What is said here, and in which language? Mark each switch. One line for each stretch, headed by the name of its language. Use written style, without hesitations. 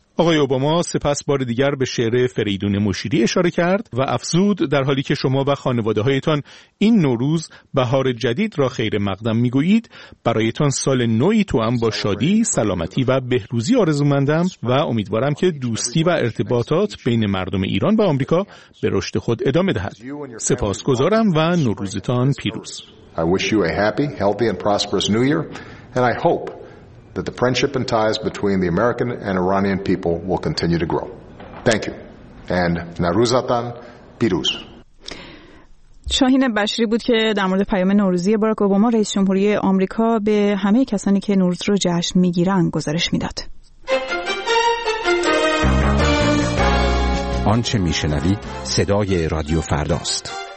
Persian: آقای اوباما سپس بار دیگر به شعر فریدون مشیری اشاره کرد و افزود: در حالی که شما و خانواده‌هایتان این نوروز بهار جدید را خیر مقدم می‌گویید، برایتان سال نوی توام با شادی، سلامتی و بهروزی آرزومندم و امیدوارم که دوستی و ارتباطات بین مردم ایران و آمریکا به رشد خود ادامه دهد. سپاسگزارم و نوروزتان پیروز.
English: I wish you a happy, healthy and prosperous new year and I hope that the friendship and ties between the American and Iranian people will continue to grow. Thank you. And
Persian: Naruzatan Piruz. شاهین بشری بود که در مورد پیام نوروزی باراک اوباما رئیس جمهوری آمریکا به همه کسانی که نوروز رو جشن میگیرن گزارش میداد. آنچه میشنوی صدای رادیو فرداست.